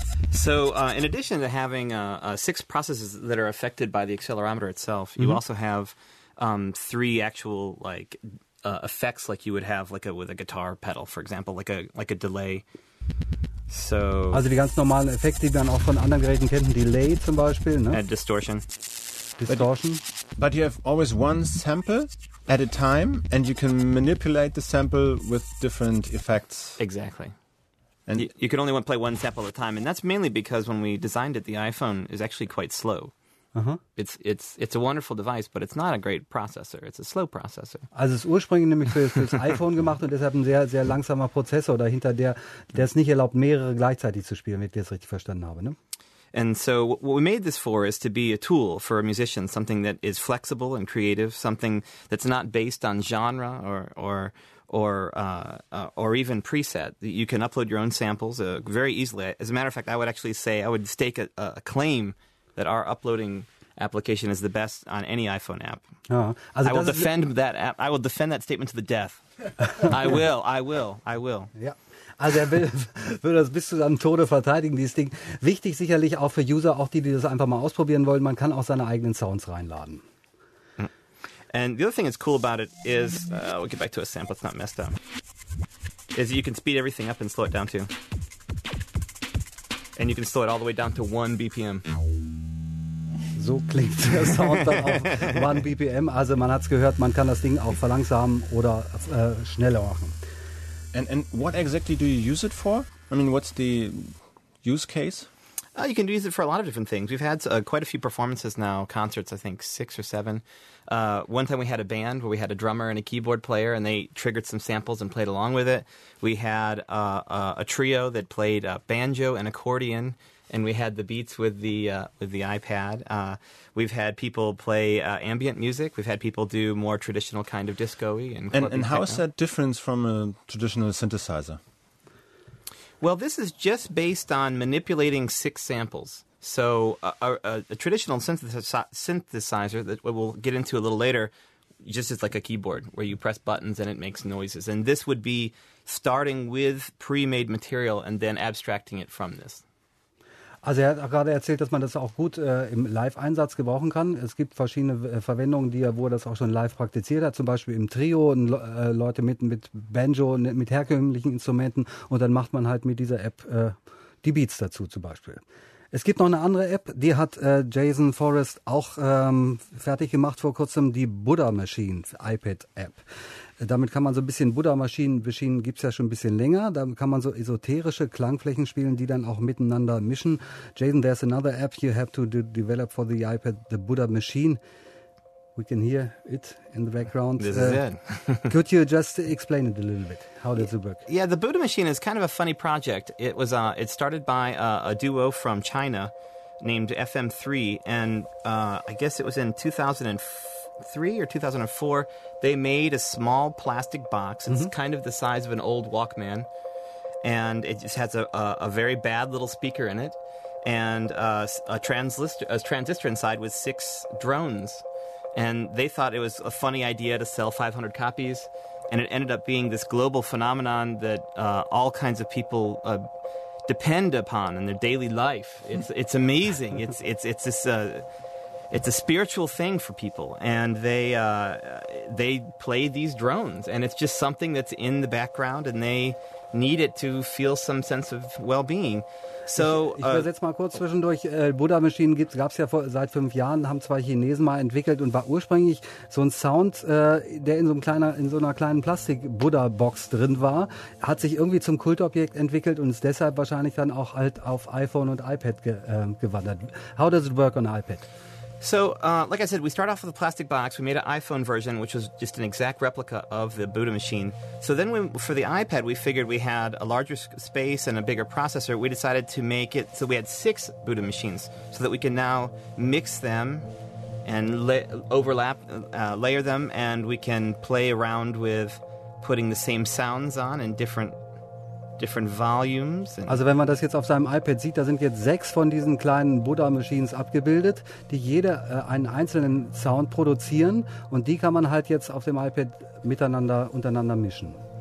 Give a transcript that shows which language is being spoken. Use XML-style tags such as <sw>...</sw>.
<en>So in addition to having 6 processes that are affected by the accelerometer itself, mm-hmm. you also have 3 actual like effects like you would have like with a guitar pedal, for example, like a delay. So</en> <de>also die ganz normalen Effekte, die man auch von anderen Geräten kennt, Delay zum Beispiel, ne?</de> <en>And distortion. Distortion. But you have always one sample at a time, and you can manipulate the sample with different effects. Exactly. And you can only play one sample at a time, and that's mainly because when we designed it, the iPhone is actually quite slow. Uh-huh. It's a wonderful device, but it's not a great processor. It's a slow processor.</en> <de>Also es ist ursprünglich nämlich für das iPhone gemacht und deshalb ein sehr, sehr langsamer Prozessor dahinter, der es nicht erlaubt, mehrere gleichzeitig zu spielen, wenn ich das richtig verstanden habe, ne?</de> <en>And so what we made this for is to be a tool for a musician, something that is flexible and creative, something that's not based on genre or even preset. You can upload your own samples very easily. As a matter of fact, I would actually say, I would stake a claim that our uploading application is the best on any iPhone app.</en> <de>Also</de> <en>I will defend that app. I will defend that statement to the death. I will.</en> <de>Ja. Also er würde das bis zu seinem Tode verteidigen, dieses Ding. Wichtig sicherlich auch für User, auch die, die das einfach mal ausprobieren wollen. Man kann auch seine eigenen Sounds reinladen.</de> <en>And the other thing that's cool about it is, we'll get back to a sample, it's not messed up, is you can speed everything up and slow it down too. And you can slow it all the way down to 1 BPM.</en> <de>So klingt der Sound dann auf 1 BPM. Also man hat's gehört, man kann das Ding auch verlangsamen oder schneller machen.</de> <en>And what exactly do you use it for? I mean, what's the use case? You can use it for a lot of different things. We've had quite a few performances now, concerts, I think 6 or 7. One time we had a band where we had a drummer and a keyboard player, and they triggered some samples and played along with it. We had a trio that played banjo and accordion, and we had the beats with the iPad. We've had people play ambient music. We've had people do more traditional kind of disco-y. And how is that different from a traditional synthesizer? Well, this is just based on manipulating 6 samples. So a traditional synthesizer that we'll get into a little later just is like a keyboard where you press buttons and it makes noises. And this would be starting with pre-made material and then abstracting it from this.</en> <de>Also er hat auch gerade erzählt, dass man das auch gut im Live-Einsatz gebrauchen kann. Es gibt verschiedene Verwendungen, die er, wo er das auch schon live praktiziert hat. Zum Beispiel im Trio, Leute mit Banjo, mit herkömmlichen Instrumenten. Und dann macht man halt mit dieser App die Beats dazu zum Beispiel. Es gibt noch eine andere App, die hat Jason Forrest auch fertig gemacht vor kurzem, die Buddha Machine iPad App. Damit kann man so ein bisschen Buddha-Maschinen gibt es ja schon ein bisschen länger. Da kann man so esoterische Klangflächen spielen, die dann auch miteinander mischen.</de> <en>Jason, there's another app you have to develop for the iPad, the Buddha Machine. We can hear it in the background. This is it. Could you just explain it a little bit? How does it work? Yeah, the Buddha Machine is kind of a funny project. It was it started by a duo from China named FM3. And I guess it was in 2003 or 2004, they made a small plastic box. It's kind of the size of an old Walkman. And it just has a very bad little speaker in it. And a transistor inside with 6 drones. And they thought it was a funny idea to sell 500 copies. And it ended up being this global phenomenon that all kinds of people depend upon in their daily life. It's amazing. It's a spiritual thing for people. And they play these drones. And it's just something that's in the background. And they need it to feel some sense of well-being. So,</en> <de>ich übersetze mal kurz zwischendurch. Buddha Machine gab es ja seit 5 Jahren, haben 2 Chinesen mal entwickelt und war ursprünglich so ein Sound, der in so einer kleinen Plastik-Buddha-Box drin war, hat sich irgendwie zum Kultobjekt entwickelt und ist deshalb wahrscheinlich dann auch halt auf iPhone und iPad gewandert.</de> <en>How does it work on iPad? So, like I said, we start off with a plastic box. We made an iPhone version, which was just an exact replica of the Buddha Machine. So then for the iPad, we figured we had a larger space and a bigger processor. We decided to make it so we had 6 Buddha Machines so that we can now mix them and layer them, and we can play around with putting the same sounds on in different volumes.</en> <de>Also wenn man das jetzt auf seinem iPad sieht, da sind jetzt 6 von diesen kleinen Buddha-Machines abgebildet, die jede einen einzelnen Sound produzieren und die kann man halt jetzt auf dem iPad miteinander untereinander mischen.</de>